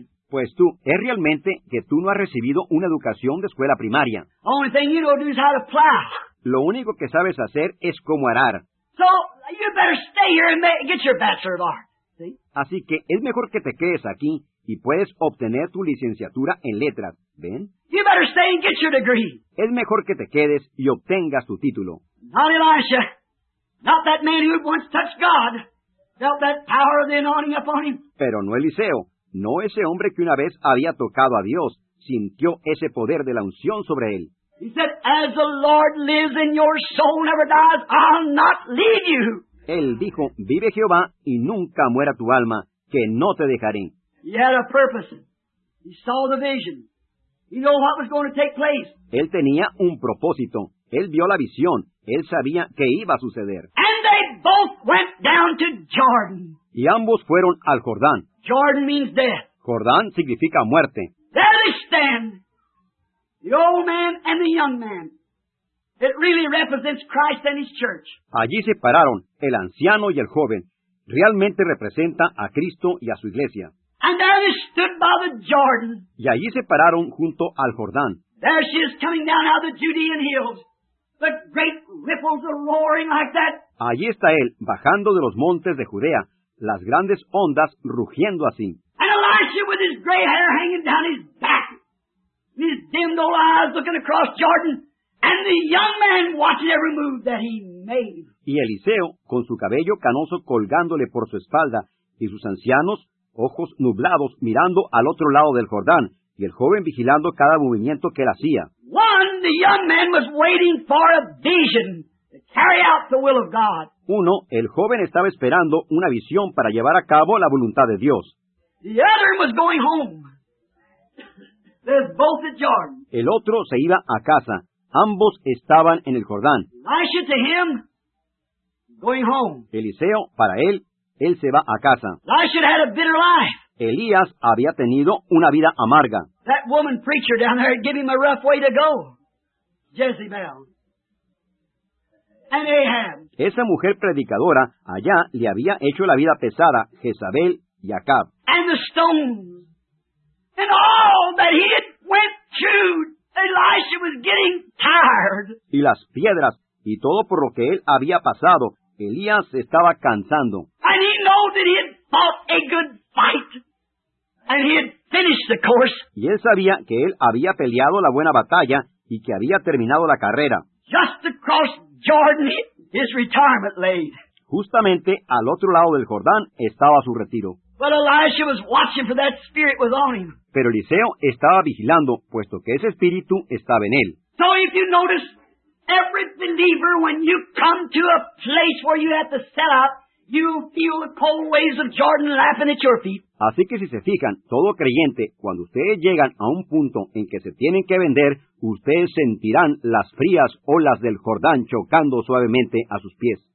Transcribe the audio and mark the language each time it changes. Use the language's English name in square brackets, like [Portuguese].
[Spanish] Pues tú, es realmente que tú no has recibido una educación de escuela primaria. [English] Only thing you don't do is how to plow. [Spanish] Lo único que sabes hacer es cómo arar. [English] So, you better stay here and get your Bachelor of Art. See? [Spanish] Así que es mejor que te quedes aquí y puedes obtener tu licenciatura en letras, ¿ven? [English] You better stay and get your degree. [Spanish] Es mejor que te quedes y obtengas tu título. [English] Not Elisha. Not that man who once touched God. Felt that power of the anointing upon him. [Spanish] Pero no Eliseo. No ese hombre que una vez había tocado a Dios. Sintió ese poder de la unción sobre él. [English] He said, as the Lord lives and your soul never dies, I'll not leave you. [Spanish] Él dijo, vive Jehová y nunca muera tu alma, que no te dejaré. [English] He had a purpose. He saw the vision. He knew what was going to take place. [Spanish] Él tenía un propósito. Él vio la visión. Él sabía qué iba a suceder. [English] And they both went down to Jordan. [Spanish] Y ambos fueron al Jordán. [English] Jordan means death. [Spanish] Jordán significa muerte. [English] There they stand. The old man and the young man. It really represents Christ and his church. [Spanish] Allí se pararon, el anciano y el joven. Realmente representa a Cristo y a su iglesia. [English] And there they stood by the Jordan. [Spanish] Y allí se pararon junto al Jordán. [English] There she is coming down out of the Judean hills. The great ripples are roaring like that. [Spanish] Allí está él, bajando de los montes de Judea, las grandes ondas rugiendo así. [English] And Elisha with his gray hair hanging down his back, his dimmed old eyes looking across Jordan, and the young man watching every move that he made. [Spanish] Y Eliseo, con su cabello canoso colgándole por su espalda, y sus ancianos, ojos nublados, mirando al otro lado del Jordán, y el joven vigilando cada movimiento que él hacía. [English] One, the young man was waiting for a vision to carry out the will of God. [Spanish] Uno, el joven estaba esperando una visión para llevar a cabo la voluntad de Dios. [English] The other was going home. They're both at Jordan. [Spanish] El otro se iba a casa. Ambos estaban en el Jordán. [English] Elisha to him, going home. [Spanish] Eliseo, para él se va a casa. [English] Elisha had a bitter life. [Spanish] Elías había tenido una vida amarga. [English] That woman preacher down there had given him a rough way to go. Jezebel. And Ahab. [Spanish] Esa mujer predicadora allá le había hecho la vida pesada, Jezabel y Acab. [English] And the stones. And all that he had went through, Elisha was getting tired. [Spanish] Y las piedras, y todo por lo que él había pasado, Elías se estaba cansando. [English] And he knew that he had fought a good fight. And he had finished the course. [Spanish] Y él sabía que él había peleado la buena batalla y que había terminado la carrera. [English] Just across Jordan, his retirement lay. [Spanish] Justamente al otro lado del Jordán estaba su retiro. [English] But Elisha was watching for that spirit was on him. [Spanish] Pero Eliseo estaba vigilando, puesto que ese espíritu estaba en él. [English] So if you notice, every believer, when you come to a place where you have to set up, you feel the cold waves of Jordan laughing at your feet. [Spanish] Así que si se fijan, todo creyente, cuando ustedes llegan a un punto en que se tienen que vender, ustedes sentirán las frías olas del Jordán chocando suavemente a sus pies.